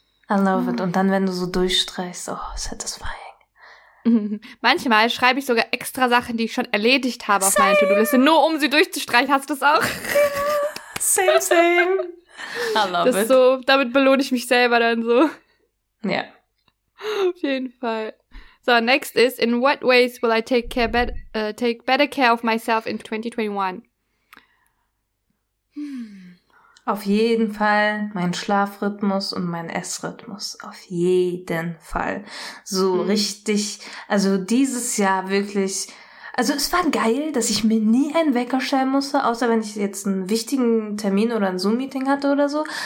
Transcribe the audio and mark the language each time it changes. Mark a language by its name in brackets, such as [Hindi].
[English] I love it. [German] Und dann, wenn du so durchstreichst, [English] oh, satisfying. [German] Manchmal schreibe ich sogar extra Sachen, die ich schon erledigt habe auf meine To-Do-Liste, nur um sie durchzustreichen. Hast du das auch? [English] Same, same. I love das it. [German] So, damit belohne ich mich selber dann so. Ja. Yeah. Auf jeden Fall. [English] So, next is, in what ways will I take care take better care of myself in 2021? [German] Auf jeden Fall mein Schlafrhythmus und mein Essrhythmus. Auf jeden Fall. So richtig, also dieses Jahr wirklich, also es war geil, dass ich mir nie einen Wecker stellen musste, außer wenn ich jetzt einen wichtigen Termin oder ein Zoom-Meeting hatte oder so.